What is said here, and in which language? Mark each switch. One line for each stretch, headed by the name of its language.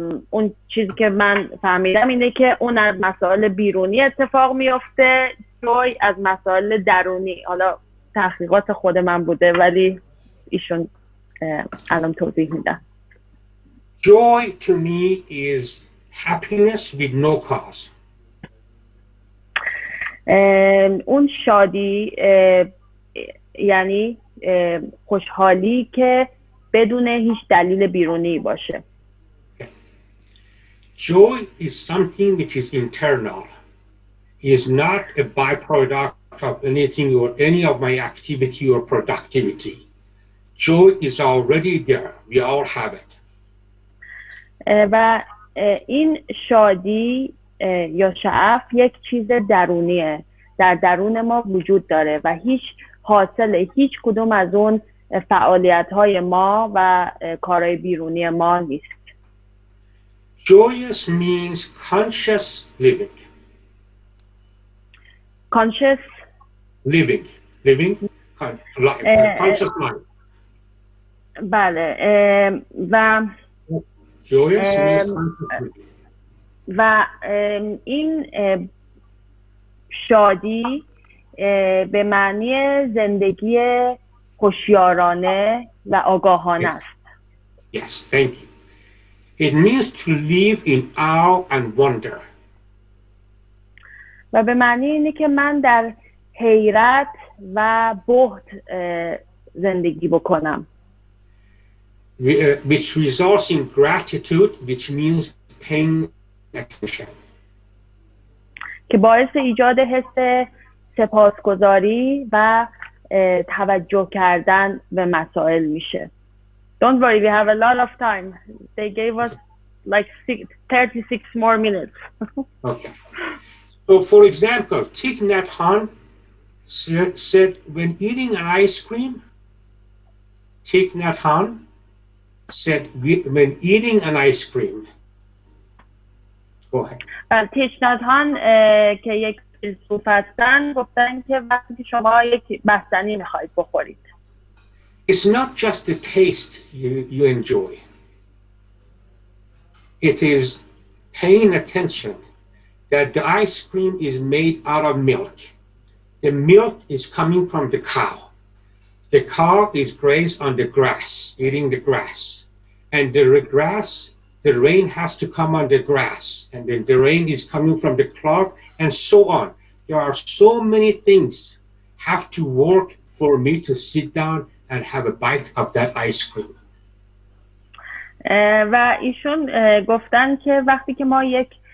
Persian: اون چیزی که من فهمیدم اینه که اون از مسائل بیرونی اتفاق میفته، جوی از مسائل درونی. حالا تحقیقات خود من بوده ولی ایشون الان توضیح میدن.
English: Joy to me is happiness with no cause.
Persian: اون شادی یعنی خوشحالی که بدون هیچ دلیل بیرونی باشه.
English: Joy is something which is internal. It is not a byproduct of anything or any of my activity or productivity. Joy is already there. We all have it.
Persian: و این شادی یا شعف یک چیز درونیه. در درون ما وجود داره و هیچ حاصل هیچ کدوم از اون فعالیت های ما و کارهای بیرونی ما نیست.
English: Joyous means conscious living. Conscious living. Living. Conscious life.
Persian: بله. و
English: Joyous means conscious living.
Persian: و این شادی به معنی زندگی خوشیارانه و آگاهانه است.
English: Yes, thank you. It means to live in awe and wonder.
Persian: و به معنی اینه که من در حیرت و بهت زندگی بکنم.
English: Which results in gratitude, which means paying attention.
Persian: که باعث ایجاد حس سپاسگزاری و توجه کردن به مسائل میشه.
English: Don't worry, we have a lot of time. They gave us like 36 more minutes. Okay. So for example, Thich Nhat Hanh said when eating an ice cream, Thich Nhat Hanh said when eating an ice cream. Go ahead.
Persian: Thich Nhat Hanh که یک فیلسوف هستن گفتن که وقتی که شما یک بستنی میخواید بخورید.
English: It's not just the taste you enjoy. It is paying attention that the ice cream is made out of milk. The milk is coming from the cow. The cow is grazed on the grass, eating the grass. And the grass, the rain has to come on the grass. And then the rain is coming from the cloud and so on. There are so many things have to work for me to sit down and have a bite of that ice cream.
Persian: و ایشون گفتن که وقتی که ما یک